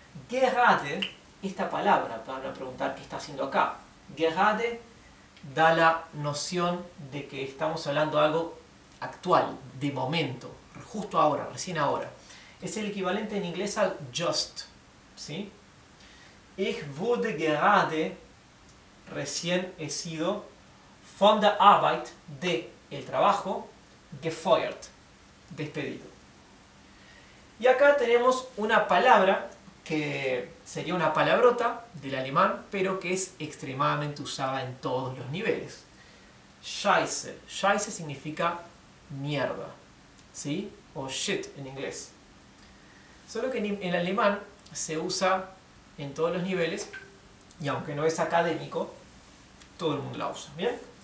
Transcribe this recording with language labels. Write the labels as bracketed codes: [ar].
[es] Gerade, esta palabra, van a preguntar qué está haciendo acá. Gerade da la noción de que estamos hablando de algo actual, de momento, justo ahora, recién ahora. Es el equivalente en inglés al just, ¿sí? [de] Ich wurde gerade, [es] recién he sido, [de] von der Arbeit, [es] de el trabajo, [de] gefeuert, [es] despedido. Y acá tenemos una palabra que sería una palabrota del alemán, pero que es extremadamente usada en todos los niveles. Scheiße. Scheiße significa mierda, ¿sí? O shit en inglés. Solo que en alemán se usa en todos los niveles, y aunque no es académico, todo el mundo la usa, ¿bien?